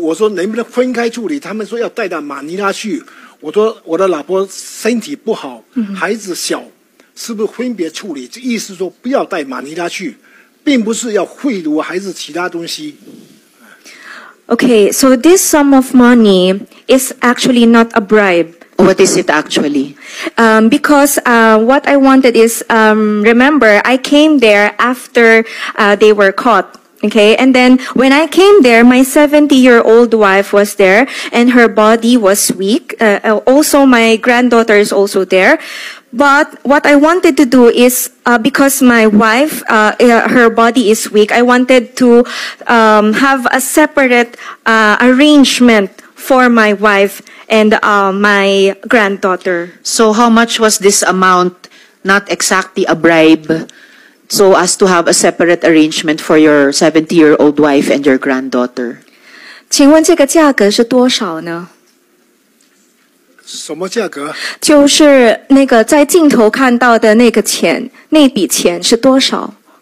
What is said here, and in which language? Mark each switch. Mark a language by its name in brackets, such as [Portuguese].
[Chinese] 很多还是客人的，那我就说你们分别处理，我就问这个我的孙女，可能因为我不会英文啊，我孙女怎么翻译我不懂的，我就那么讲的。但是我没有贿赂的意思，因为也知道那么多摄像机那边，我就想贿赂，我也不可能在摄像机底下就贿赂吧，是不是？不是贿赂，我说能不能分开处理？他们说要带到马尼拉去。我说我的老婆身体不好，孩子小，是不是分别处理？这意思说不要带马尼拉去，并不是要贿赂孩子其他东西。 [English] Okay, so this sum of money is actually not a bribe. What is it actually? Because what I wanted is, remember, I came there after they were caught. Okay, and then when I came there, my 70-year-old wife was there, and her body was weak. Also, my granddaughter is also there. But what I wanted to do is, because my wife, her body is weak, I wanted to have a separate arrangement for my wife and my granddaughter. So how much was this amount, not exactly a bribe? So as to have a separate arrangement for your 70-year-old wife and your granddaughter. [Chinese] 请问这个价格是多少呢? 什么价格? 就是那个在镜头看到的那个钱，那笔钱是多少?